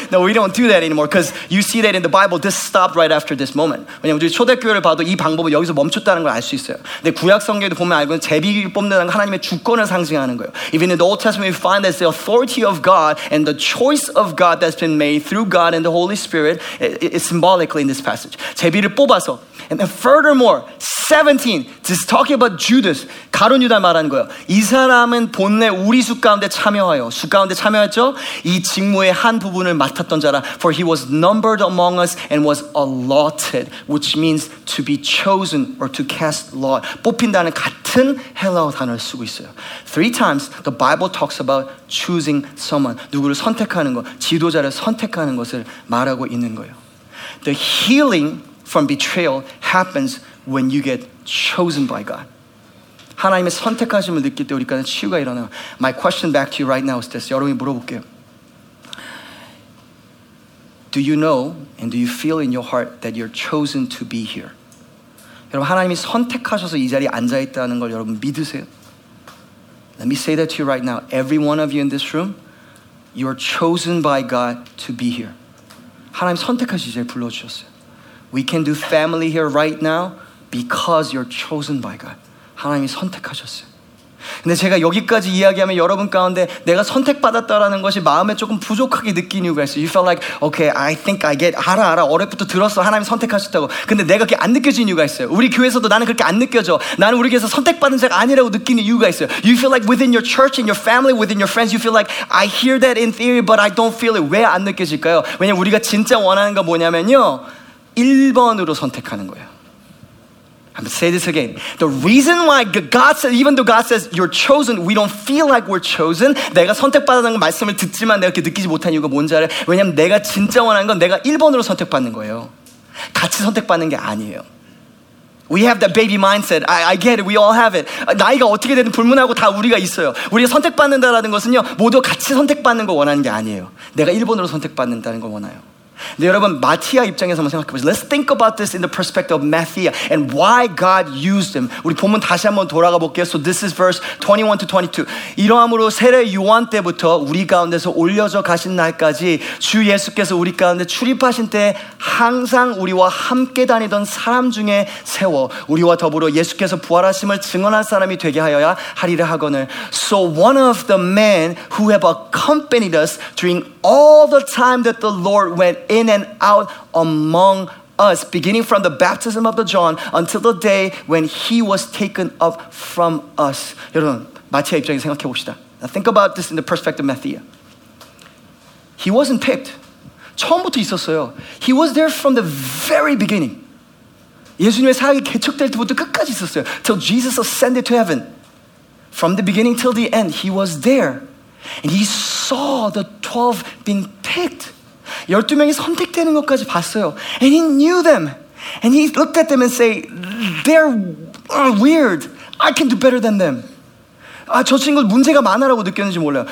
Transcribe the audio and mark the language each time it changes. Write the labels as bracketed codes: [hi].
[en] No, we don't do that anymore because you see that in the Bible, this stopped right after this moment. [ko] 왜냐면 우리 초대교회를 봐도 이 방법은 여기서 멈췄다는 걸 알 수 있어요. 근데 구약 성경에도 보면 알고 있는 제비를 뽑는다는 건 하나님의 주권을 상징하는 거예요. [en] Even in the Old Testament, we find that the authority of God and the choice of God that's been made through God and the Holy Spirit is symbolically in this passage. [ko] 제비를 뽑아서. [en] And then furthermore, 17, just talking about Judas, [ko] 가룟 유다 말하는 거예요. 이 사람은 본래 우리 숙 가운데 참여하여 숙 가운데 참여했죠? 이 직무의 한 부분을 맡았던 자라. [en] For he was numbered among us and was allotted, which means to be chosen or to cast lot. [ko] 뽑힌다는 같은 헬라어 단어를 쓰고 있어요. [en] Three times the Bible talks about choosing someone. [ko] 누구를 선택하는 것, 지도자를 선택하는 것을 말하고 있는 거예요. [en] The healing from betrayal happens when you get chosen by God. [ko] 하나님의 선택하심을 느낄 때 우리까지 치유가 일어나요. [en] My question back to you right now is this. [ko] 여러분이 물어볼게요. [en] Do you know and do you feel in your heart that you're chosen to be here? [ko] 여러분 하나님이 선택하셔서 이 자리에 앉아있다는 걸 여러분 믿으세요? [en] Let me say that to you right now. Every one of you in this room, you're chosen by God to be here. [ko] 하나님 선택하셔서 이 자리에 불러주셨어요. [en] We can do family here right now because you're chosen by God. [ko] 하나님이 선택하셨어요. 근데 제가 여기까지 이야기하면 여러분 가운데 내가 선택받았다라는 것이 마음에 조금 부족하게 느낀 이유가 있어요. [en] You felt like, okay, I think I get, [ko] 알아. 어렵부터 들었어. 하나님이 선택하셨다고. 근데 내가 그렇게 안 느껴진 이유가 있어요. 우리 교회에서도 나는 그렇게 안 느껴져. 나는 우리 교회에서 선택받은 자가 아니라고 느끼는 이유가 있어요. [en] You feel like within your church, in your family, within your friends, you feel like I hear that in theory, but I don't feel it. [ko] 왜 안 느껴질까요? 왜냐면 우리가 진짜 원하는 건 뭐냐면요. 1번으로 선택하는 거예요. [en] I'm going to say this again. The reason why God says, even though God says you're chosen, we don't feel like we're chosen. [ko] 내가 선택받았다는 걸 말씀을 듣지만 내가 그렇게 느끼지 못한 이유가 뭔지 알아요? 왜냐하면 내가 진짜 원하는 건 내가 1번으로 선택받는 거예요. 같이 선택받는 게 아니에요. [en] We have that baby mindset. I get it. We all have it. [ko] 나이가 어떻게 되든 불문하고 다 우리가 있어요. 우리가 선택받는다라는 것은요, 모두 같이 선택받는 걸 원하는 게 아니에요. 내가 일본으로 선택받는다는 걸 원해요. 근데 여러분, 마티아 입장에서 한번 생각해보세요. [en] Let's think about this in the perspective of Matthew and why God used him. [ko] 우리 본문 다시 한번 돌아가 볼게요. [en] So this is verse 21 to 22. [ko] 이러함으로 세례 요한 때부터 우리 가운데서 올려져 가신 날까지 주 예수께서 우리 가운데 출입하신 때 항상 우리와 함께 다니던 사람 중에 세워 우리와 더불어 예수께서 부활하심을 증언할 사람이 되게 하여야 하리라 하거늘. [en] So one of the men who have accompanied us during all the time that the Lord went in and out among us, beginning from the baptism of the John until the day when he was taken up from us. [ko] 여러분, 마태 입장에서 생각해 봅시다. [en] Think about this in the perspective of Matthew. He wasn't picked. [ko] 처음부터 있었어요. [en] He was there from the very beginning. [ko] 예수님의 사역이 개척될 때부터 끝까지 있었어요. [en] Till Jesus ascended to heaven. From the beginning till the end, he was there. And he saw the 12 being picked. 12명이 선택되는 것까지 봤어요. And he knew them. And he looked at them and say, they're weird. I can do better than them. [ko] 아, 저 친구 문제가 많아라고 느꼈는지 몰라요.